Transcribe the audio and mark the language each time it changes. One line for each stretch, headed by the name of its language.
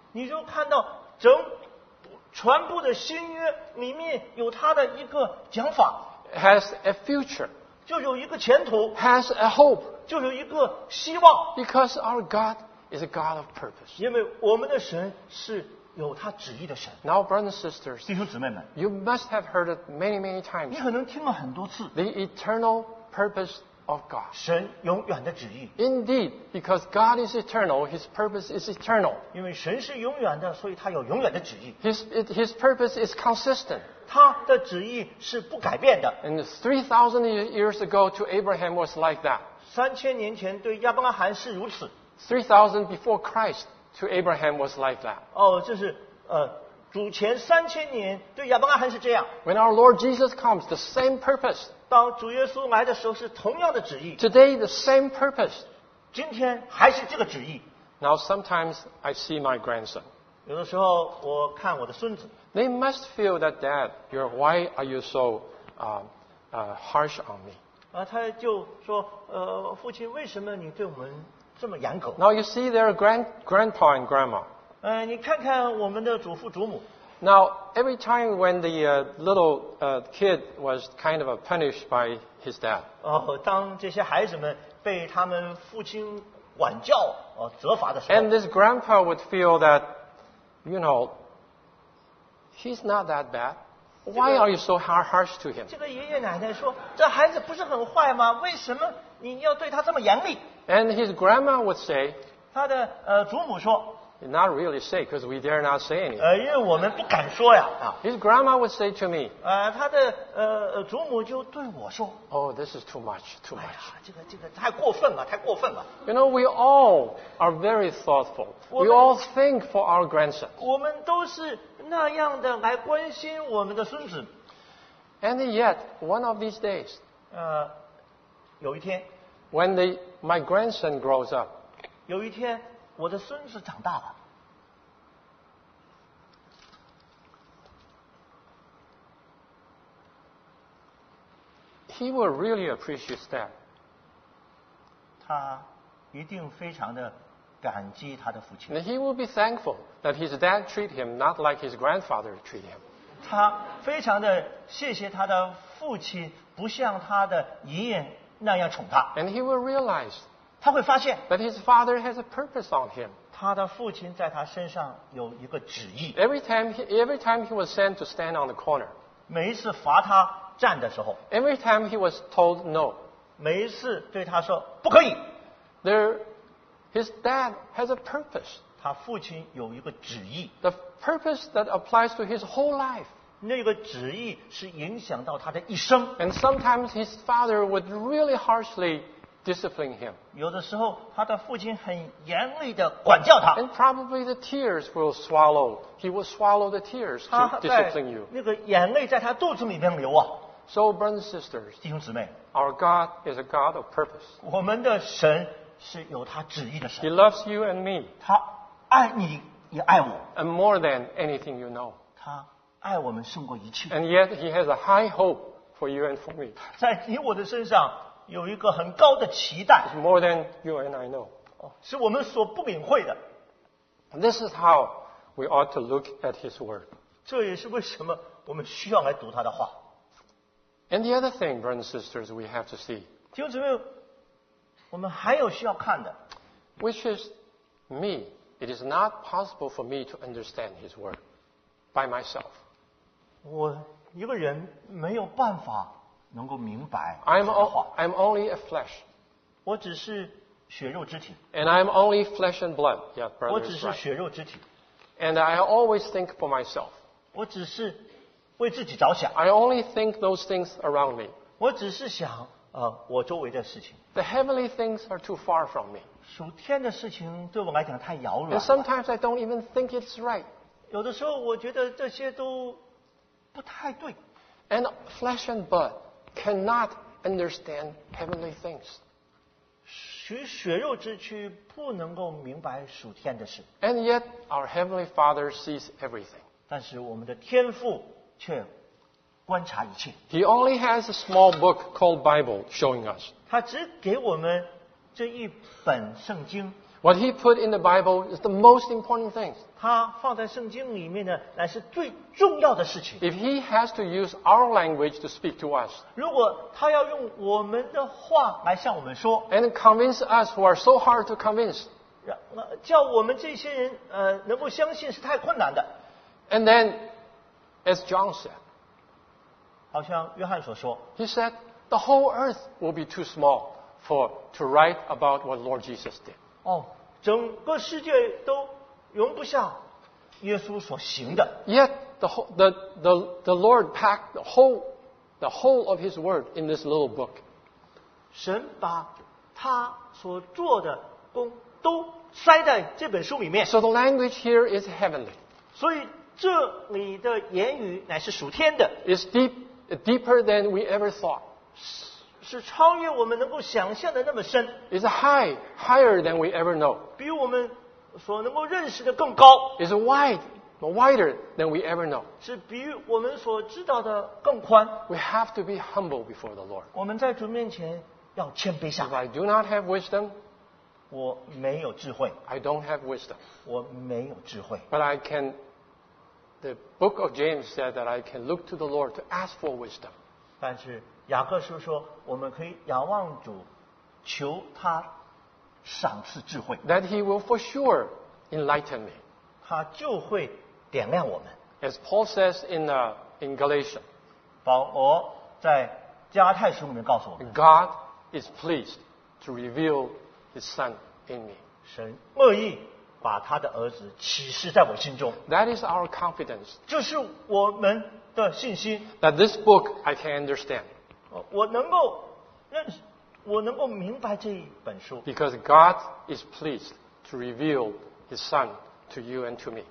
Chinese: 你就看到整全部的新约里面有他的一个讲法。
English: Has a future.
Chinese: 就有一个前途。
English: Has a hope.
Chinese: 就有一个希望。
English: Because our GodIs a God of purpose.
Chinese: 因为我们的神是有他旨意的神。
English: Now, brothers and sisters,
Chinese: 弟兄姊妹们，
English: you must have heard it many, many times.
Chinese: 你可能听了很多次。
English: The eternal purpose of God.
Chinese: 神永远的旨意。
English: Indeed, because God is eternal, His purpose is eternal.
Chinese: 因为神是永远的，所以他有永远的旨意。
English: His purpose is consistent.
Chinese: 他的旨意是不改变的。
English: And 3,000 years ago, to Abraham was like that.
Chinese: 3,000年前对亚伯拉罕是如此。
English: 3,000 before Christ to Abraham was like that.
Chinese: 哦，这是主前三千年对亚伯拉罕是这样。
English: When our Lord Jesus comes, the same purpose.
Chinese: 当主耶稣来的时候是同样的旨意。
English: Today the same purpose.
Chinese: 今天还是这个旨意。
English: Now sometimes I see my grandson.
Chinese: 有的时候我看我的孙子。
English: They must feel that Dad, why are you so harsh on me?
Chinese: 啊，他就说，父亲，为什么你对我们这么严格。
English: Now you see their grandpa and grandma.
Chinese: 你看看我们的祖父祖母。
English: Now, every time when the little kid was kind of punished by his dad,
Chinese: 当这些孩子们被他们父亲管教责罚的时候
English: ，and this grandpa would feel that, you know, he's not that bad. Why are you so harsh to him?
Chinese: 这个爷爷奶奶说，这孩子不是很坏吗？为什么你要对他这么严厉
English: ？And his grandma would say,
Chinese: 他的祖母说。
English: Not really say, because we dare not say anything.
Chinese: 因为我们不敢说呀。
English: His grandma would say to me.
Chinese: 他的祖母就对我说。
English: Oh, this is too much, too much.
Chinese: 这个太过分了，太过分了。
English: You know, we all are very thoughtful. We all think for our grandson.
Chinese: 我们都是那样的来关心我们的孙子。
English: And yet, one of these days.
Chinese: 有一天。
English: When my grandson grows up.
Chinese: 有一天。我的孙子长大了。
English: He will really appreciate that.
Chinese: 他一定非常的感激他的父亲。
English: And he will be thankful that his dad treat him not like his grandfather treat him.
Chinese: 他非常的谢谢他的父亲不像他的爷爷那样宠他。
English: And he will realize.
Chinese: 他会发现
English: But his father has a purpose on him.
Chinese: 他的父亲在他身上有一个旨意。
English: Every time he was sent to stand on the corner.
Chinese: 每一次罚他站的时候。
English: Every time he was told no.
Chinese: 每一次对他说不可以。
English: His dad has a purpose.
Chinese: 他父亲有一个旨意。
English: The purpose that applies to his whole life.
Chinese: 那个旨意是影响到他的一生。
English: And sometimes his father would really harshly discipline him.
Chinese: 有的时候他的父亲很严厉地管教他。
English: And probably the tears will swallow. He will swallow the tears to discipline you.
Chinese: 那个眼泪在他肚子里面流啊。
English: So, brothers and sisters,
Chinese: 弟兄姊妹,
English: our God is a God of purpose.
Chinese: 我们的神是有他旨意的神。
English: He loves you and me.
Chinese: 他爱你也爱我。
English: And more than anything you know.
Chinese: 他爱我们胜过一切。
English: And yet he has a high hope for you and for me.
Chinese: 在你我的身上有一个很高的期待
English: It's more than you and I know.
Chinese: 是我们所不敏慧的
English: And this is how we ought to look at his word.
Chinese: 这也是为什么我们需要来读他的话
English: And the other thing, brothers and sisters, we have to see.
Chinese: 弟兄姊妹我们还有需要看的
English: Which is me. It is not possible for me to understand his word by myself.
Chinese: 我一个人没有办法能够明白
English: I'm only a flesh.
Chinese: 我只是血肉之体。
English: And I'm only flesh and blood. Yeah, brother.
Chinese: 我只是血肉之体。
English: And I always think for myself.
Chinese: 我只是为自己着想。
English: I only think those things around me.
Chinese: 我只是想我周围的事情。
English: The heavenly things are too far from me.
Chinese: 属天的事情对我来讲太遥远了。
English: And sometimes I don't even think it's right.
Chinese: 有的时候我觉得这些都不太对。
English: And flesh and blood. Cannot understand heavenly things.
Chinese: 血肉之躯不能够明白属天的事。
English: And yet our heavenly Father sees everything.
Chinese: 但是我们的天父却观察一切。
English: He only has a small book called Bible showing us.
Chinese: 他只给我们这一本圣经。
English: What he put in the Bible is the most important things.
Chinese: 他放在圣经里面的乃是最重要的事情。
English: If he has to use our language to speak to us,
Chinese: 如果他要用我们的话来向我们说
English: and convince us who are so hard to convince,
Chinese: 叫我们这些人能够相信是太困难的。
English: And then, as John said,
Chinese: 好像约翰所说
English: he said, the whole earth will be too small for to write about what Lord Jesus did.
Chinese: 整个世界都容不下耶稣所行的。
English: Yet the Lord packed the whole of His word in this little book.
Chinese: 神把他所做的功都塞在这本书里面。
English: So the language here is heavenly.
Chinese: 所以这里的言语乃是属天的。
English: It's deeper than we ever thought.
Chinese: 是超越我们能够想象的那么深。
English: It's higher than we ever know.
Chinese: 比我们所能够认识的更高。
English: It's wider than we ever know.
Chinese: 是比我们所知道的更宽。
English: We have to be humble before the Lord.
Chinese: 我们在主面前要谦卑下。
English: If I do not have wisdom,
Chinese: 我没有智慧。
English: I don't have wisdom.
Chinese: 我没有智慧。
English: But I can The book of James said that I can look to the Lord to ask for wisdom.
Chinese: 但是雅各书说，我们可以仰望主，求他赏赐智慧。
English: That he will for sure enlighten me.
Chinese: 他就会点亮我们。
English: As Paul says in Galatians.
Chinese: 保罗在加泰书里面告诉我们。
English: God is pleased to reveal his son in me.
Chinese: 神乐意把他的儿子启示在我心中。
English: That is our confidence.
Chinese: 就是我们的信心。
English: That this book I can understand.
Chinese: 我能够认识，我能够明白这一本书。
English: Because God is pleased to reveal his son to you and to me.